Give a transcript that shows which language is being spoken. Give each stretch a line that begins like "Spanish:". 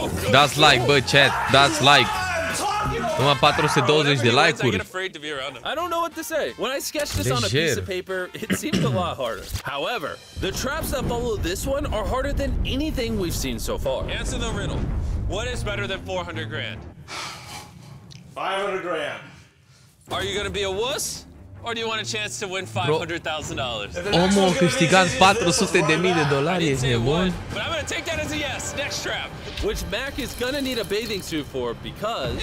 Romanian: Dați like, bă, chat, dați like. Numai 420 de like-uri.
English: I don't know what to say. When I sketched this on a piece of paper, it seemed a lot harder. However, the traps that follow this one are harder than anything we've seen so far. Answer the riddle. What is better than 400 grand? 500 grand. Are you gonna be a wuss? Or do you want a chance to win $500,000?
Romanian: Omul a câștigat 400.000 de dolari, ești nebun?
English: But I'm gonna take that as a yes, next trap. Which Mac is gonna need a bathing suit for because...